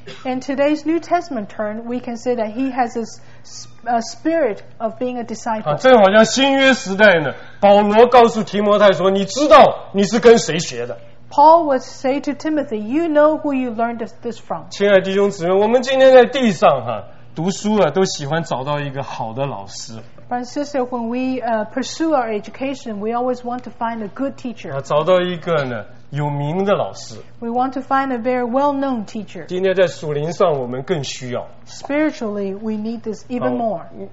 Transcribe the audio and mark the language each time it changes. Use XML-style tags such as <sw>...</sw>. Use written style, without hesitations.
<en>In today's New Testament term, we can say that he has a spirit of being a disciple.</en> <zh>正好像新约时代呢，保罗告诉提摩太说，你知道你是跟谁学的。</zh> <en>Paul would say to Timothy, "You know who you learned this from."</en> <zh>亲爱弟兄姊妹，我们今天在地上哈。读书啊，都喜欢找到一个好的老师。</zh> <en>Brother sister, when we pursue our education, we always want to find a good teacher.</en> <zh>找到一个呢有名的老师。</zh> <en>We want to find a very well-known teacher.</en> <zh>今天在属灵上，我们更需要。</zh> <en>Spiritually, we need this even more.</en>